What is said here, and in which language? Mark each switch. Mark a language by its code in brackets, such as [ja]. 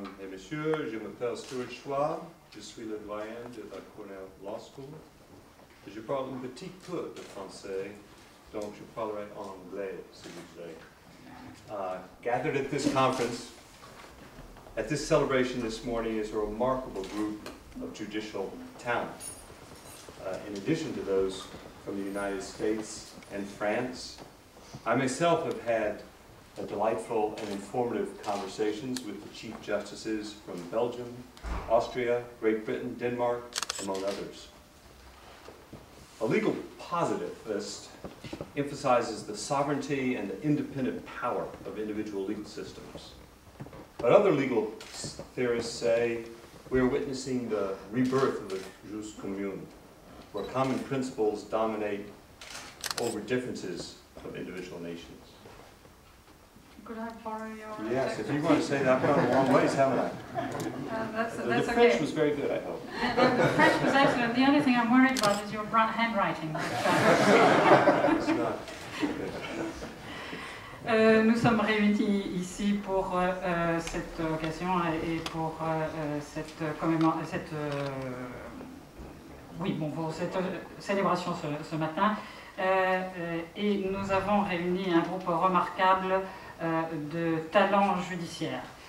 [fr] Monsieur, je m'appelle Stuart Schwab, je suis le doyen de la Cornell Law School. Je parle un petit peu de français, donc je parlerai anglais, si vous voulez. [en] Gathered at this conference, at this celebration this morning, is a remarkable group of judicial talent. In addition to those from the United States and France, I myself have had a delightful and informative conversations with the Chief Justices from Belgium, Austria, Great Britain, Denmark, among others. A legal positivist emphasizes the sovereignty and the independent power of individual legal systems. But other legal theorists say we are witnessing the rebirth of the jus commune, where common principles dominate over differences of individual nations. Could I borrow your... Yes, if you want to say that, I've gone a long ways, haven't I? That's the French okay. Was very good, I hope. The French was excellent. The only thing I'm worried about is your handwriting. It's not. [fr] Nous sommes réunis ici pour cette occasion et pour cette célébration ce matin. Et nous avons réuni un groupe remarquable de talents judiciaires.